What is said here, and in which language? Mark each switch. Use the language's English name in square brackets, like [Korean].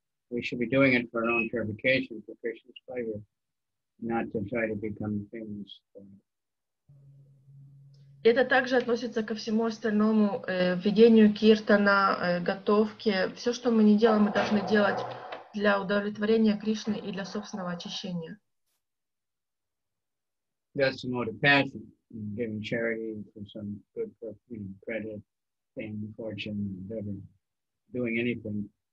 [English] We should be doing it for our own purification, for Krishna's pleasure, not to try to become famous. [Russian] Это также относится ко всему остальному, ведению киртана, готовке. Все, что мы не делаем, мы должны делать для удовлетворения Кришны и для собственного очищения. [English] That's the motive passion, giving charity for some good, you know, credit, fame, fortune, whatever, doing anything.